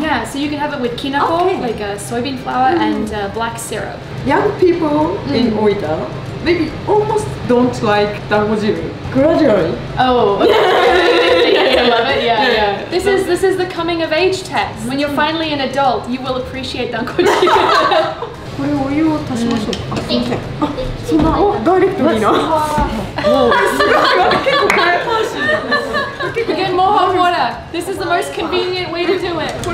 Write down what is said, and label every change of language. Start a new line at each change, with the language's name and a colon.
English: Yeah, so you can have it with kinako, like soybean flour and black syrup. Young people in Oita, maybe almost don't like dangojiru. Gradually. Oh, okay. Yeah, I love it. Yeah. This is the coming of age test. When you're finally an adult, you will appreciate dangojiru.
Japanese: これをお湯を足しましょう。あ、すみません。そんな、お、ダイレクトにな。わあ。すごい。結構大変そうですね。
English: You get more hot water. This is the most convenient way to do it.